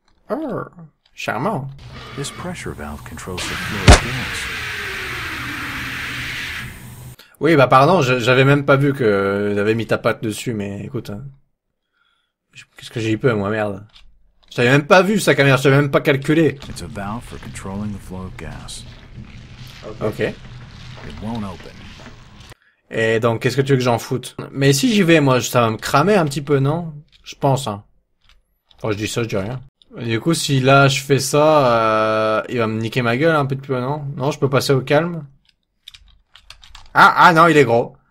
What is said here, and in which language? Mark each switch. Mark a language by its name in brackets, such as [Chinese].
[French] Oh, charmant. [English] This pressure valve controls the flow of gas. [French] Oui, bah pardon, j'avais même pas vu que j'avais mis ta patte dessus, mais écoute. Hein. Qu'est-ce que j'ai eu peur, moi, merde. J'avais même pas vu sa caméra, j'avais même pas calculé. [English] It's a valve for controlling the flow of gas. Okay. It won't open. [French] Et donc, qu'est-ce que tu veux que j'en foute? Mais si j'y vais, moi, ça va me cramer un petit peu, non? Je pense, hein. Bon, je dis ça, je dis rien. Du coup, si là je fais ça, il va me niquer ma gueule un peu de plus, non? Non, je peux passer au calme. Ah non, il est gros.